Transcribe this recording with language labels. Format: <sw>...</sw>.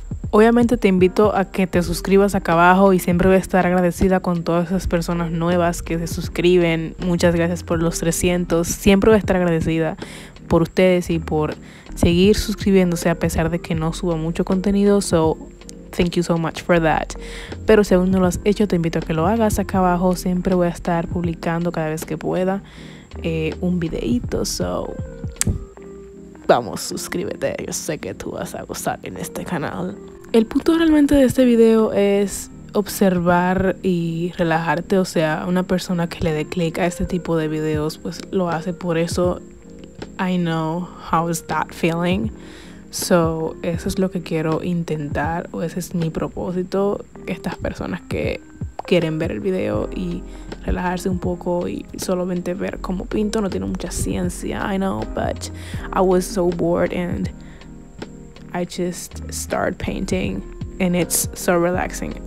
<es>Obviamente te invito a que te suscribas acá abajo y siempre voy a estar agradecida con todas esas personas nuevas que se suscriben. Muchas gracias por los 300. Siempre voy a estar agradecida por ustedes y por seguir suscribiéndose a pesar de que no suba mucho contenido.</es> <en>So, thank you so much for that.</en> <es>Pero si aún no lo has hecho, te invito a que lo hagas acá abajo. Siempre voy a estar publicando cada vez que pueda un videito. So, vamos, suscríbete. Yo sé que tú vas a gozar en este canal. El punto realmente de este video es observar y relajarte. O sea, una persona que le dé click a este tipo de videos, pues lo hace por eso.</es> <en>I know how is that feeling.</en> <es>So, eso es lo que quiero intentar, o ese es mi propósito. Estas personas que quieren ver el video y relajarse un poco y solamente ver cómo pinto, no tiene mucha ciencia.</es> <en>I know, but I was so bored and I just start painting and it's so relaxing.</en>